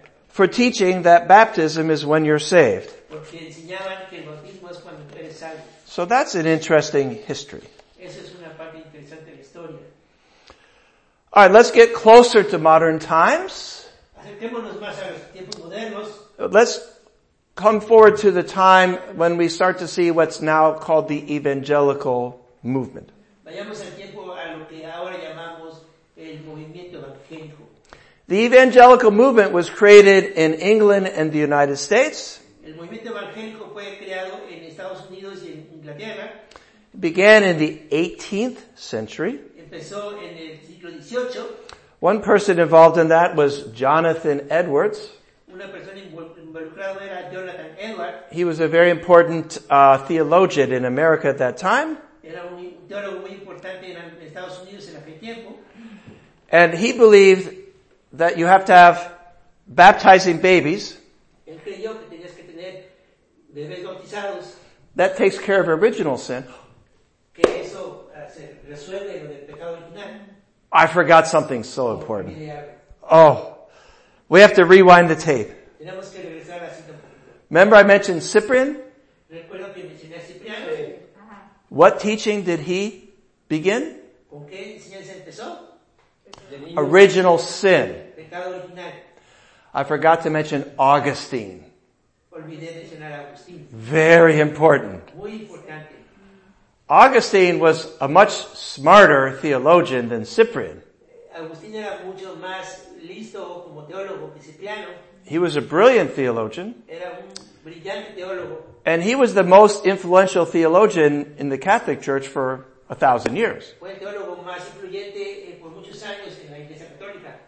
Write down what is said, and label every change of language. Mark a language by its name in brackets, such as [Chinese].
[English] For teaching that baptism is when you're saved. [Spanish] Porque enseñaban que el bautismo es cuando eres salvo. [English] So that's an interesting history. [Spanish] Esa es una parte interesante de la historia. [English] All right, let's get closer to modern times. [Spanish] Acerquémonos más a los tiempos modernos. [English] Let's come forward to the time when we start to see what's now called the evangelical movement. [Spanish] Vayamos al tiempo a lo que ahora llamamos el movimiento evangélico. [English] The evangelical movement was created in England and the United States. [Spanish] El movimiento evangélico fue creado en Estados Unidos y en Inglaterra. [English] It began in the 18th century. [Spanish] Empezó en el siglo 18. [English] One person involved in that was Jonathan Edwards. [Spanish] Una persona involucrada era Jonathan Edwards. [English] He was a very important theologian in America at that time. [Spanish] Era un teólogo muy importante en Estados Unidos en aquel tiempo. [English] And he believed that you have to have baptizing babies. [Spanish] Él creyó que tenías que tener bebés bautizados. [English] That takes care of original sin. [Spanish] Que eso se resuelve lo del pecado original. [English] I forgot something so important. Oh, we have to rewind the tape. [Spanish] Tenemos que regresar así. [English] Remember I mentioned Cyprian? [Spanish] Recuerdo que mencioné a Cipriano. [English] What teaching did he begin? [Spanish] ¿Con qué enseñanza empezó? [English] Original sin. [Spanish] Pecado original. [English] I forgot to mention Augustine. [Spanish] Olvidé mencionar a Agustín. [English] Very important. [Spanish] Muy importante. [English] Augustine was a much smarter theologian than Cyprian. [Spanish] Agustín era mucho más listo como teólogo que Cipriano. [English] He was a brilliant theologian. [Spanish] Era un brillante teólogo. [English] And he was the most influential theologian in the Catholic Church for 1,000 years. [Spanish] Fue el teólogo más influyente por muchos años en la Iglesia Católica.